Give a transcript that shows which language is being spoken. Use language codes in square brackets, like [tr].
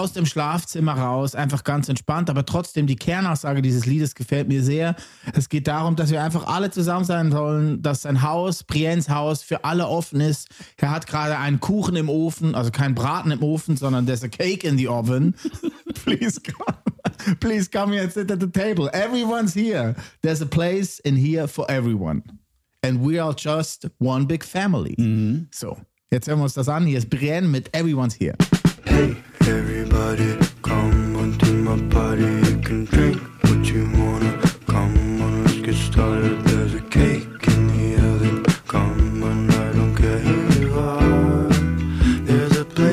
[de] aus dem Schlafzimmer raus, einfach ganz entspannt, aber trotzdem die Kernaussage dieses Liedes gefällt mir sehr. Es geht darum, dass wir einfach alle zusammen sein sollen, dass sein Haus, Briennes Haus, für alle offen ist. Er hat gerade einen Kuchen im Ofen, also keinen Braten im Ofen, sondern [en] there's a cake in the oven. Please come. Please come here and sit at the table. Everyone's here. There's a place in here for everyone. And we are just one big family. Mm-hmm. [de] So, jetzt hören wir uns das an. Hier ist Brienne mit Everyone's Here. [en] Hey, everybody, come on to my party. You can drink what you wanna. Come on, let's get started. There's a cake. Come on, I don't care who you are. There's a